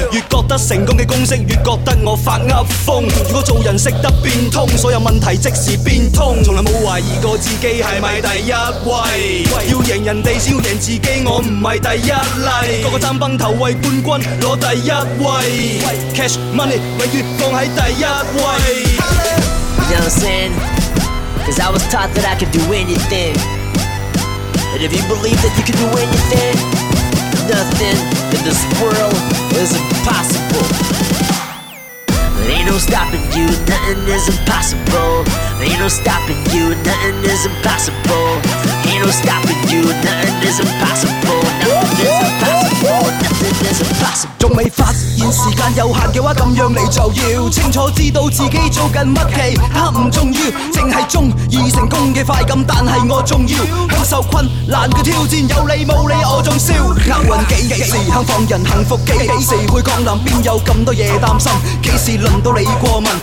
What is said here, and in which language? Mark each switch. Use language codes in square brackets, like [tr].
[yue] 越覺得成功的公式，越覺得我發噏瘋。如果做人懂得變通，所有問題即時變通。從來冇懷疑過自己是咪第一位，要贏人哋先要贏自己，我不是第一例。個個爭崩頭為冠軍攞第一位 ，cash money 永遠放在第一位。 [en] know what I'm saying? Cause I was taught that I could do anything. But if you believe that you can do anything, nothing in this world is impossible. There ain't no stopping you, nothing is impossible. There ain't no stopping you, nothing is impossible. There ain't no stopping you, nothing is impossible. Nothing is impossible, nothing is impossible. [yue] 仲未发现时间有限嘅话，咁样你就要清楚知道自己做紧乜嘅，它唔重要，净系中意成功嘅快感，但系我重要享受困难嘅挑战，有你冇你我仲笑。厄运几时肯放人，幸福几时会降临，边有咁多嘢担心，几时轮到你过问？